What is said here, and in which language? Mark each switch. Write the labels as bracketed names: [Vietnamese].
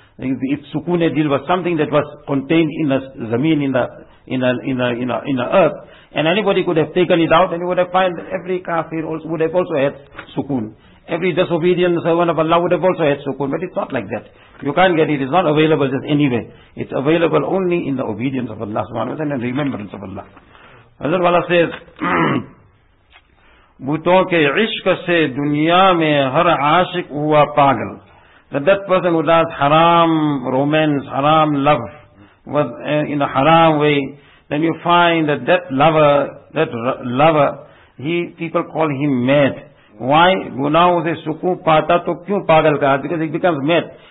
[English] If sukoon e dil was something that was contained in the zameen, in the earth, and anybody could have taken it out, and you would have found that every kafir also would have also had sukoon. Every disobedient servant of Allah would have also had sukoon, but it's not like that. You can't get it. It's not available just anywhere. It's available only in the obedience of Allah subhanahu wa ta'ala and remembrance of Allah. Hazrat Wala says, [Urdu] بتوں کے عشق سے دنیا میں ہر عاشق ہوا پاگل, [English] that that person who does haram romance, haram love, was in a haram way, then you find that that lover, people call him mad. Why? [Urdu] Guna usse sukoon paata to kyun pagal kaha? [English] Because he becomes mad.